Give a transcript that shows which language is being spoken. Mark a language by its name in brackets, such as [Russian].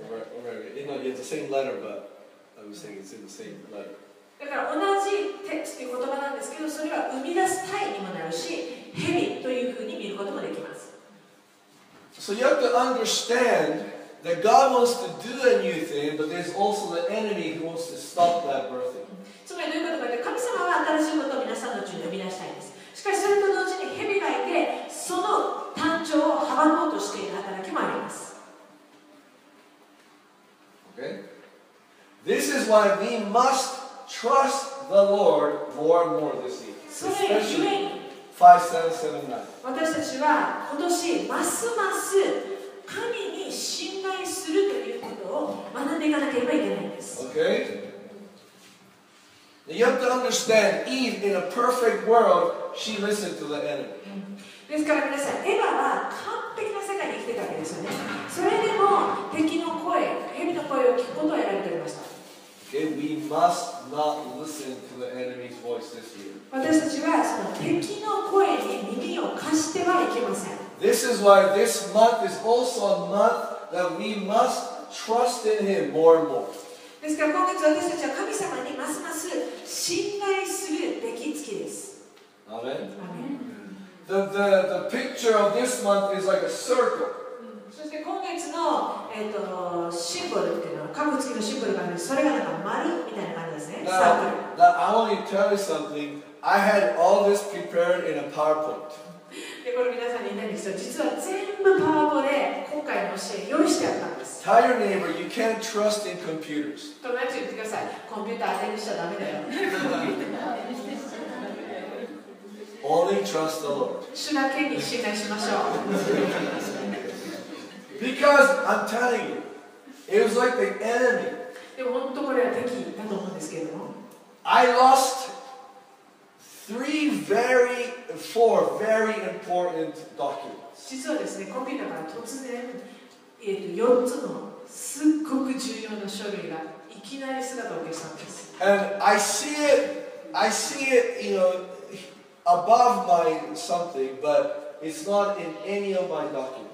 [English] Right, right. It's the same letter, but I was saying it's in the same letter. [Japanese] だから同じ text っていう言葉なんですけど、それは生み出す体にもなるし、蛇というふうに見ることもできます。 [English] So you have to understand that God wants to do a new thing, but there's also the enemy who wants to stop that birthing. [Japanese] つまりどういうことかって、神様は新しいことを皆さんのうちに生み出したいです。しかしそれと同時に蛇がいて、その誕生を阻もうとしている働きもあります。 [English] Okay? This is why we must trust the Lord more and more this year. Especially 5779. [Japanese] 私たちは今年ますます神に信頼するということを学んでいかなければいけないんです。 [English] Okay? Now you have to understand, Eve, in a perfect world, she listened to the enemy. [Japanese] ですから皆さん、エヴァは完璧な世界に生きてたわけですよね。それでも敵の声、蛇の声を聞くことを選んでおりました。 [English] Okay, we must not listen to the enemy's voice this year. [Japanese] 私たちはその敵の声に耳を貸してはいけません。 [English] This is why this month is also a month that we must trust in him more and more. [Japanese] ですから今月私たちは神様にますます信頼するべき月です。アメン。 [English] The picture of this month is like a circle. [Japanese] そして今月の、シンボルっていうのは、カム月のシンボルがあるんです。それがなんか丸みたいな感じですね。 [English] Now, サークル。Now, I want to tell you something. I had all this prepared in a PowerPoint. [Japanese] でこれ皆さんに言いたいんですよ。実は全部パワポで今回の試合用意してあったんです。 [English] Tell your neighbor, you can't trust in computers. [Japanese] 友達に言ってください。コンピューター当てにしちゃダメだよ。 [English] Only trust the Lord. [Japanese] 主だけに信頼しましょう。 [English] Because I'm telling you, it was like the enemy. [Japanese] でも本当これは敵だと思うんですけれども。 [English] I lost three very, four very important documents. [Japanese] 実はですね、コンピューターが突然、4つのすっごく重要な書類がいきなり姿を消したんです。 [English] And I see it, you know,Above my something, but it's not in any of my documents.